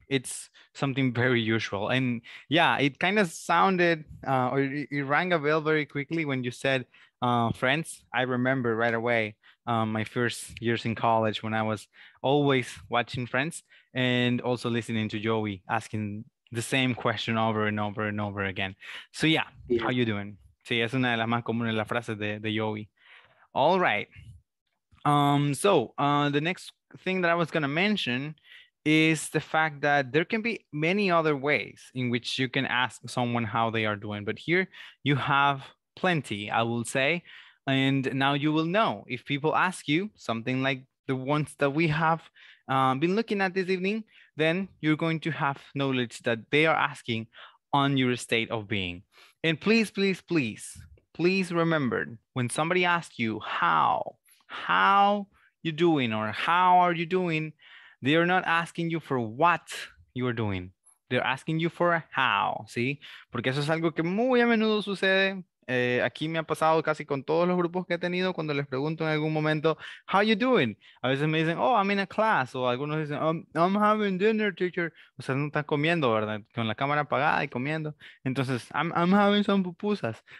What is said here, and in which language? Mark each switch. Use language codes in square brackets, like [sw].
[en] It's something very usual. And yeah, it kind of sounded, it rang a bell very quickly when you said friends. I remember right away my first years in college when I was always watching Friends and also listening to Joey asking the same question over and over and over again. So yeah, how you doing? [es] Sí, es una de las más comunes las frases de Joey. [en] All right. The next thing that I was going to mention is the fact that there can be many other ways in which you can ask someone how they are doing. But here you have plenty, I will say. And now you will know if people ask you something like the ones that we have been looking at this evening, then you're going to have knowledge that they are asking on your state of being. And please, please, please, please remember when somebody asks you how you doing or how are you doing, they are not asking you for what you are doing. They're asking you for how, ¿sí? [es] Porque eso es algo que muy a menudo sucede. Aquí me ha pasado casi con todos los grupos que he tenido cuando les pregunto en algún momento, [en] how you doing? [es] A veces me dicen, [en] oh, I'm in a class. [es] O algunos dicen, [en] I'm having dinner, teacher. [es] O sea, no están comiendo, ¿verdad? Con la cámara apagada y comiendo. Entonces, [en] I'm having some pupusas.